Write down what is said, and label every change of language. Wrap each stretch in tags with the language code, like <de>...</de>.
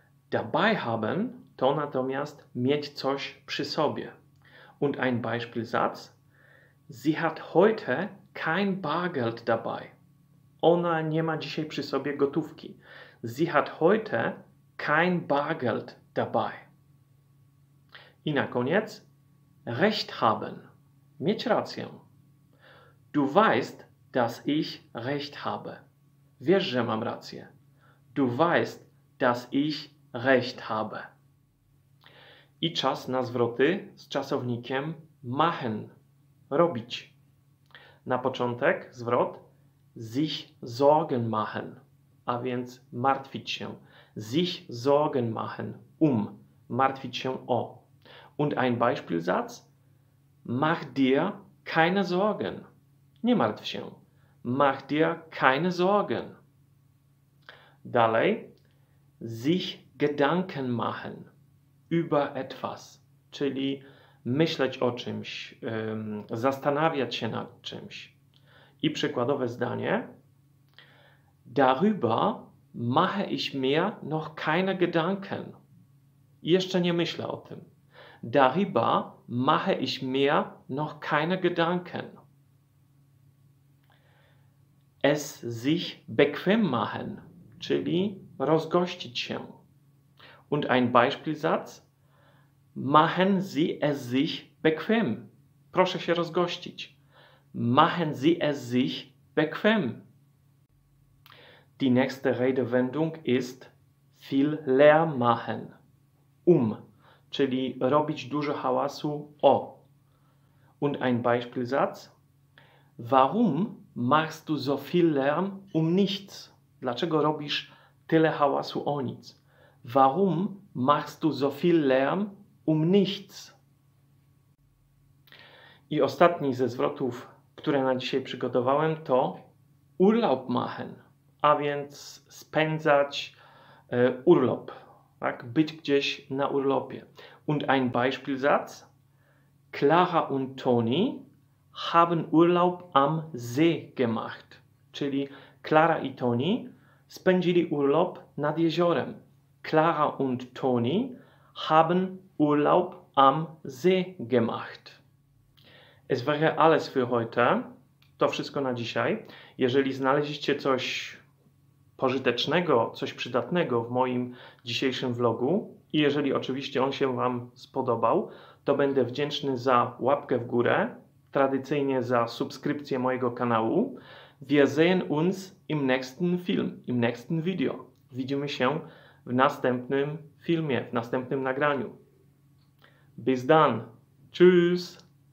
<de>Dabei haben</de> <pl>to natomiast mieć coś przy sobie.</pl> <de>Und ein Beispielsatz. Sie hat heute kein Bargeld dabei.</de> <pl>Ona nie ma dzisiaj przy sobie gotówki.</pl> <de>Sie hat heute kein Bargeld dabei.</de> <pl>I na koniec.</pl> <de>Recht haben.</de> <pl>Mieć rację.</pl> <de>Du weißt, dass ich recht habe.</de> <pl>Wiesz, że mam rację.</pl> <de>Du weißt, dass ich recht habe.</de> <pl>I czas na zwroty z czasownikiem machen. Robić. Na początek zwrot</pl> <de>sich Sorgen machen.</de> <pl>A więc martwić się.</pl> <de>Sich Sorgen machen.</de> <pl>Martwić się o.</pl> <de>Und ein Beispielsatz. Mach dir keine Sorgen.</de> <pl>Nie martw się.</pl> <de>Mach dir keine Sorgen.</de> <pl>Dalej.</pl> <de>Sich Gedanken machen. Über etwas.</de> <pl>Czyli myśleć o czymś. Zastanawiać się nad czymś. I przykładowe zdanie.</pl> <de>Darüber mache ich mir noch keine Gedanken.</de> <pl>Jeszcze nie myślę o tym.</pl> <de>Darüber mache ich mir noch keine Gedanken. Es sich bequem machen,</de> <pl>czyli rozgościć się.</pl> <de>Und ein Beispielsatz. Machen Sie es sich bequem.</de> <pl>Proszę się rozgościć.</pl> <de>Machen Sie es sich bequem. Die nächste Redewendung ist viel Lärm machen.</de> <pl>Czyli robić dużo hałasu o.</pl> <de>Und ein Beispielsatz. Warum machst du so viel Lärm nichts?</de> <pl>Dlaczego robisz tyle hałasu o nic?</pl> <de>Warum machst du so viel Lärm nichts?</de> <pl>I ostatni ze zwrotów, które na dzisiaj przygotowałem, to</pl> <de>Urlaub machen,</de> <pl>a więc spędzać urlop, tak? Być gdzieś na urlopie.</pl> <de>Und ein Beispielsatz. Clara und Toni haben Urlaub am See gemacht.</de> <pl>Czyli Clara i Toni spędzili urlop nad jeziorem.</pl> <de>Clara und Toni haben Urlaub am See gemacht. Es wäre alles für heute.</de> <pl>To wszystko na dzisiaj. Jeżeli znaleźliście coś pożytecznego, coś przydatnego w moim dzisiejszym vlogu i jeżeli oczywiście on się Wam spodobał, to będę wdzięczny za łapkę w górę, tradycyjnie za subskrypcję mojego kanału.</pl> <de>Wir sehen uns im nächsten Film, im nächsten Video.</de> <pl>Widzimy się w następnym filmie, w następnym nagraniu.</pl> <de>Bis dann. Tschüss.</de>